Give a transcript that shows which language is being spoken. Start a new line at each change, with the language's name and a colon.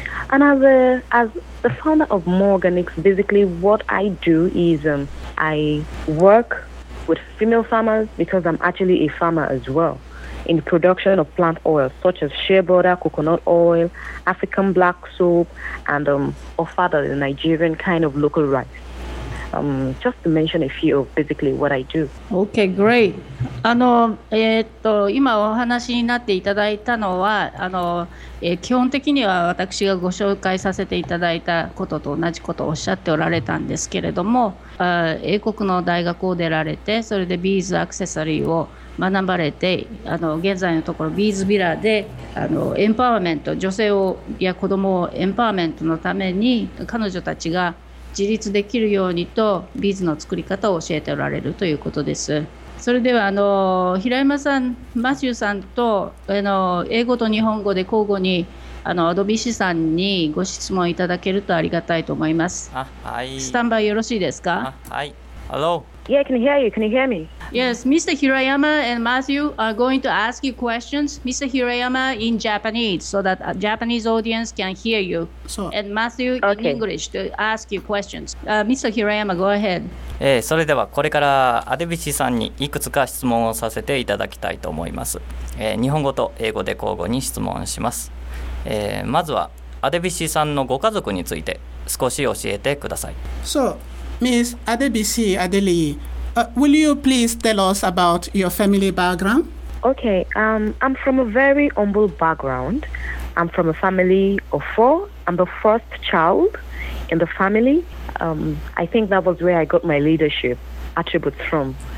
English: And as the founder of Morganix, basically what I do is I work with female farmers, because I'm actually a farmer as well, in the production of plant oils such as shea butter, coconut oil, African black soap, and ofada, the Nigerian kind of local rice. Just to mention a few of basically what I do. Okay, great.
Japanese: 今お話になっていただいたのは基本的には私がご紹介させていただいたことと同じことをおっしゃっておられたんですけれども、英国の大学を出られて、それでビーズアクセサリーを学ばれて、現在のところビーズビラでエンパワーメント、女性をや子どもをエンパワーメントのために、彼女たちが自立できるようにとビーズの作り方を教えておられるということです。それでは平山さん、マシューさんと英語と日本語で交互にアドビシさんにご質問いただけるとありがたいと思います。はい、スタンバイよろしいですか。
English: はい。Hello. Yeah, can you hear you? Can you hear me? Yes, Mr. Hirayama and Matthew are going to ask you questions. Mr. Hirayama in Japanese, so that a Japanese audience can hear you. So, and Matthew in English to ask you questions. Mr. Hirayama, go ahead.
Japanese: それではこれからアデビシさんにいくつか質問をさせていただきたいと思います。日本語と英語で交互に質問します。まずはアデビシさんのご家族について少し教えてください。
English: So,Miss Adebisi Adeleye, will you please tell us about your family background? Okay, I'm from a very humble background. I'm from a family of four. I'm the first child in the family. I think that was where I got my leadership attributes from.